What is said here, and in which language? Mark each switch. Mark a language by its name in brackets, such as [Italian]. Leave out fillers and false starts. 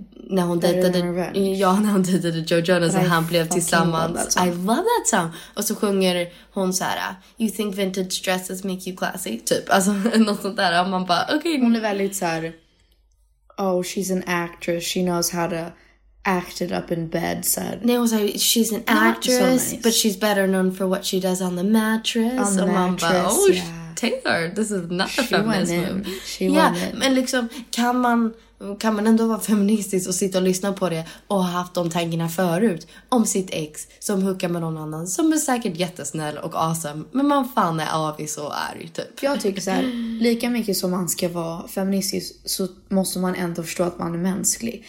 [Swedish] när hon dejtade, ja, när hon dejtade Joe Jonas, och han blev tillsammans, [English] I love that song. [Swedish] Och så sjunger hon så här, [English] you think vintage dresses make you classy, [Swedish] typ, alltså något sånt där. Och man bara, okej, okay. Hon är väldigt så här, [English] oh, she's an actress, she knows how to act it up in bed, said. [Swedish] Nej, hon sa, [English] she's an actress, so nice, but she's better known for what she does on the mattress. On the mattress, [Swedish] man bara, [English] oh, yeah. Taylor, this is not a feminist move. She won it. Yeah, [Swedish] men liksom, kan man ändå vara feministisk och sitta och lyssna på det och ha haft de tankarna förut om sitt ex som hookar med någon annan som är säkert jättesnäll och awesome, men man fan är avis och arg, typ. Jag tycker så här, lika mycket som man ska vara feministisk så måste man ändå förstå att man är mänsklig.